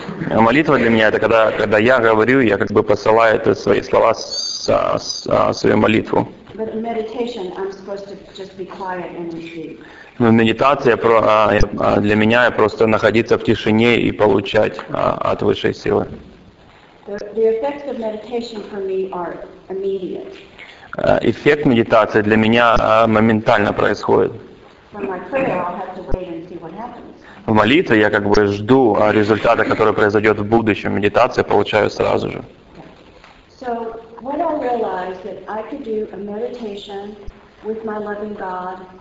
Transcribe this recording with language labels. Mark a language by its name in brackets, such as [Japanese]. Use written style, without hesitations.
[Russian] Молитва для меня — это когда я говорю, я как бы посылаю свои слова, свою молитву. [English] But in meditation, I'm supposed to just be quiet and receive. [Russian] Но медитация для меня — я просто находиться в тишине и получать от высшей силы. [English] The effects of meditation for me are immediate. [Russian] Эффект медитации для меня моментально происходит. [English] From my prayer, I'll have to wait and see what happens. [Russian] В молитве я как бы жду результата, который произойдет в будущем. Медитация получаю сразу же. [English] So, when I realized that I could do a meditation with my loving God